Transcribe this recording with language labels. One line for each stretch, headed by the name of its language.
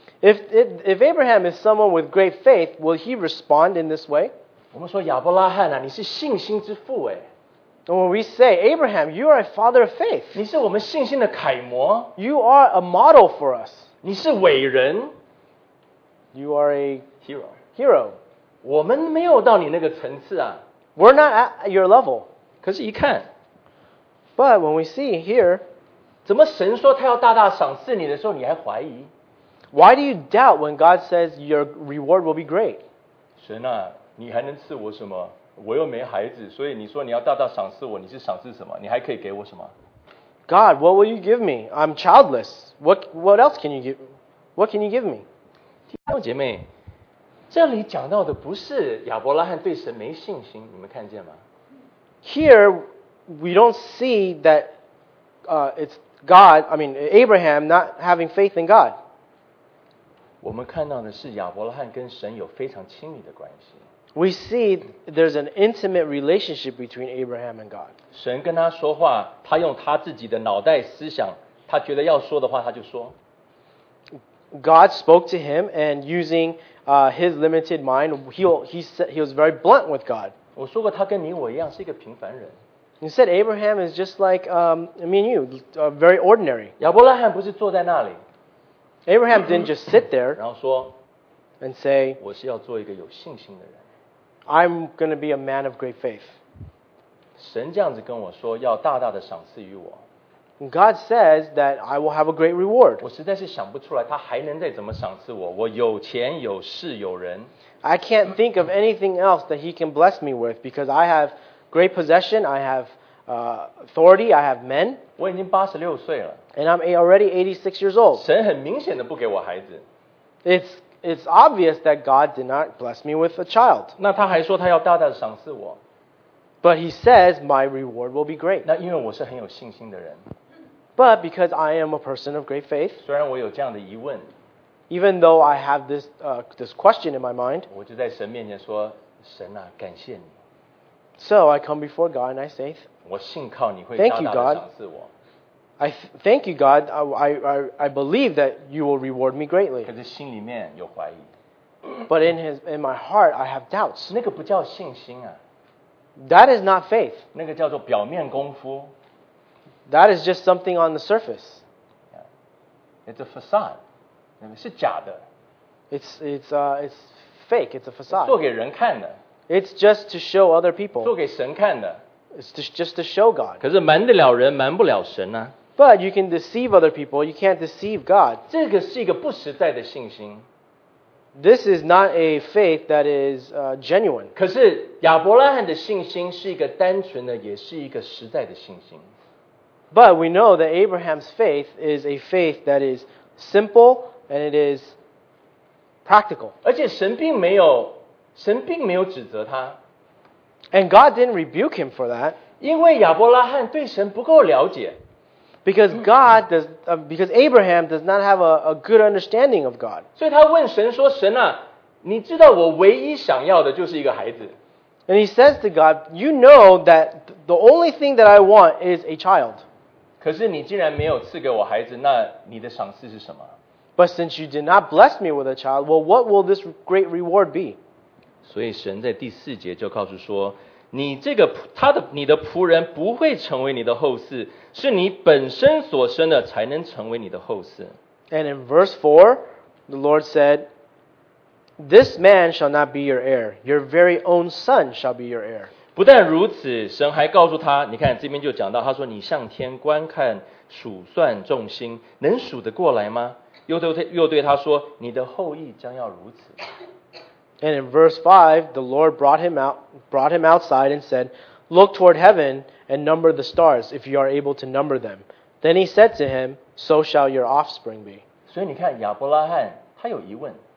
English: If Abraham is someone with great faith, will he respond in this way?
Chinese: 我们说亚伯拉罕啊, 你是信心之父耶。
English: And when we say, Abraham, you are a father of faith.
Chinese: 你是我们信心的楷模。
English: You are a model for us.
Chinese: 你是伟人。
English: You are a hero. Hero.
Chinese: 我们没有到你那个层次啊。
English: We're not at your level.
Chinese: 可是一看,
English: But when we see here,
Chinese: 怎么神说他要大大赏赐你的时候你还怀疑?
English: Why do you doubt when God says your reward will be great?
Chinese: 神啊, 你还能赐我什么? 我又没孩子，所以你说你要大大赏赐我，你是赏赐什么？你还可以给我什么？
English: God, what will you give me? I'm childless. What else can you give me?
Chinese: 弟兄姐妹，这里讲到的不是亚伯拉罕对神没信心，你们看见吗？
English: Here we don't see that it's God, I mean Abraham not having faith in God.
Chinese: 我们看到的是亚伯拉罕跟神有非常亲密的关系。
English: We see there's an intimate relationship between Abraham and God.
Chinese: 神跟他说话，他用他自己的脑袋思想，他觉得要说的话他就说。
English: God spoke to him and using his limited mind, he was very blunt with God.
Chinese: 我说过他跟你我一样是一个平凡人。
English: He said Abraham is just like me and you, very ordinary.
Chinese: 亚伯拉罕不是坐在那里。
English: Abraham didn't just sit there
Chinese: 然后说
English: and say,
Chinese: 我是要做一个有信心的人。
English: I'm going to be a man of great faith.
Chinese: 神这样子跟我说要大大的赏赐于我。
English: God says that I will have a great reward.
Chinese: 我实在是想不出来他还能再怎么赏赐我。我有钱有势有人。
English: I can't think of anything else that he can bless me with because I have great possession, I have authority, I have men.
Chinese: 我已经86岁了。
English: And I'm already 86 years old.
Chinese: 神很明显的不给我孩子。
English: It's obvious that God did not bless me with a child.
Chinese: 那他还说他要大大的赏赐我。
English: But he says my reward will be great.
Chinese: 那因为我是很有信心的人。
English: But because I am a person of great faith,
Chinese: 虽然我有这样的疑问,
English: even though I have this, this question in my mind,
Chinese: 我就在神面前说, 神啊, 感谢你。
English: So I come before God and I say,
Chinese: 我信靠你会大大的赏赐我。
English: Thank you, God. I believe that you will reward me greatly.
Chinese: 可是心里面有怀疑。
English: But in my heart, I have doubts.
Chinese: 那个不叫信心啊。
English: That is not faith.
Chinese: 那个叫做表面功夫。
English: That is just something on the surface. It's a facade.
Chinese: 是假的。
English: It's fake. It's a facade.
Chinese: 做给人看的。
English: It's just to show other people.
Chinese: 做给神看的。
English: It's just to show God.
Chinese: 可是瞒得了人，瞒不了神啊。
English: But you can deceive other people. You can't deceive God.
Chinese: 这个是一个不实在的信心。
English: This is not a faith that is genuine.
Chinese: 可是亚伯拉罕的信心是一个单纯的，也是一个实在的信心。
English: But we know that Abraham's faith is a faith that is simple and it is practical.
Chinese: 而且神并没有指责他。
English: And God didn't rebuke him for that.
Chinese: 因为亚伯拉罕对神不够了解。
English: Because God does, because Abraham does not have a good understanding of God.
Chinese: 所以他问神说，神啊，你知道我唯一想要的就是一个孩子。
English: And he says to God, you know that the only thing that I want is a child.
Chinese: 可是你既然没有赐给我孩子，那你的赏赐是什么？
English: But since you did not bless me with a child, well, what will this great reward be?
Chinese: 所以神在第四节就告诉说，你这个他的你的仆人不会成为你的后嗣，是你本身所生的才能成为你的后嗣。
English: And in verse 4, the Lord said, This man shall not be your heir. Your very own son shall be your heir.
Chinese: 不但如此，神还告诉他，你看这边就讲到，他说你向天观看，数算众星，能数得过来吗？又对他说，你的后裔将要如此。
English: And in verse 5, the Lord brought him outside and said, Look toward heaven and number the stars, if you are able to number them. Then he said to him, So shall your offspring be.
Chinese: 所以你看亚伯拉罕他有疑问。